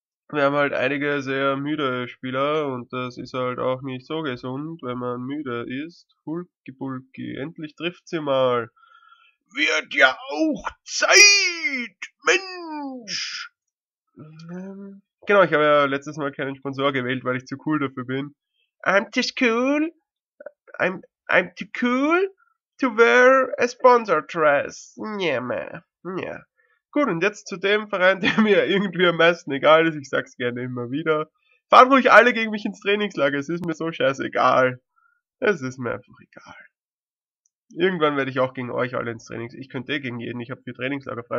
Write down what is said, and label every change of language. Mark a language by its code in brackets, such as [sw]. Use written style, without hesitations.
[de] Wir haben halt einige sehr müde Spieler und das ist halt auch nicht so gesund, wenn man müde ist. Hulki Bulki, endlich trifft sie mal. Wird ja auch Zeit, Mensch! Genau, ich habe ja letztes Mal keinen Sponsor gewählt, weil ich zu cool dafür bin. [en] I'm too cool. I'm too cool to wear a sponsor dress. Yeah, man. Yeah. [de] Gut, und jetzt zu dem Verein, der mir irgendwie am meisten egal ist. Ich sag's gerne immer wieder. Fahren ruhig alle gegen mich ins Trainingslager. Es ist mir so scheißegal. Es ist mir einfach egal. Irgendwann werde ich auch gegen euch alle ins Trainings. Ich könnte eh gegen jeden. Ich habe 4 Trainingslager frei.